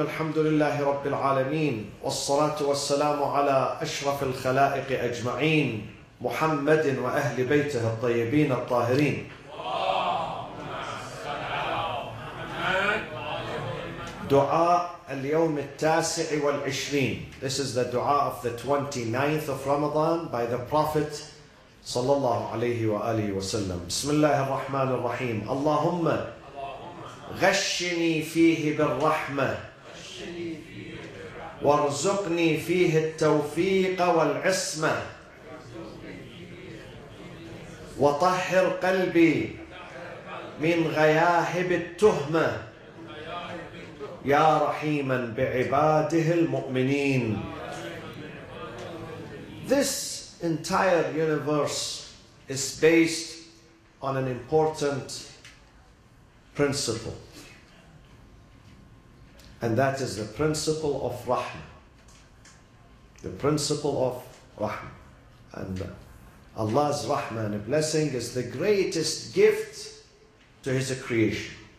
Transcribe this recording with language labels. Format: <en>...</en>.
<ar>الحمد لله رب العالمين، والصلاة والسلام على أشرف الخلائق أجمعين محمد وأهل بيته الطيبين الطاهرين. دعاء اليوم التاسع والعشرين.</ar> <en>This is the dua of the 29th of Ramadan by the Prophet</en> <ar>صلى الله عليه وآله وسلم. بسم الله الرحمن الرحيم. اللهم غشني فيه بالرحمة وارزقني فيه التوفيق والعصمة وطهر قلبي من غياهب التهمة يا رحيما بعباده المؤمنين.</ar> <en>This entire universe is based on an important principle, and that is the principle of rahmah. The principle of rahmah. And Allah's rahmah and blessing is the greatest gift to His creation.</en>